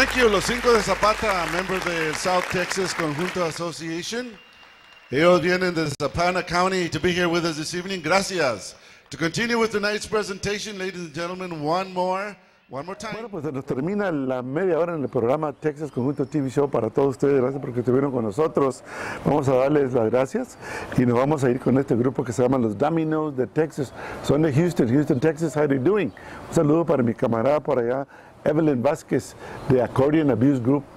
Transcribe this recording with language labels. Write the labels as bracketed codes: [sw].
[es] Los cinco de Zapata, miembros del South Texas Conjunto Association. Ellos vienen de [en] Zapana County to be here with us this evening. [es] Gracias. [en] To continue with tonight's presentation, ladies and gentlemen, one more time. [es] Bueno, pues nos termina la media hora en el programa Texas Conjunto TV Show para todos ustedes. Gracias porque estuvieron con nosotros. Vamos a darles las gracias y nos vamos a ir con este grupo que se llama Los Dominos de Texas. Son de Houston, Texas. [en] How are you doing? [es] Un saludo para mi camarada por allá, Evelyn Vázquez, de Accordion Abuse Group.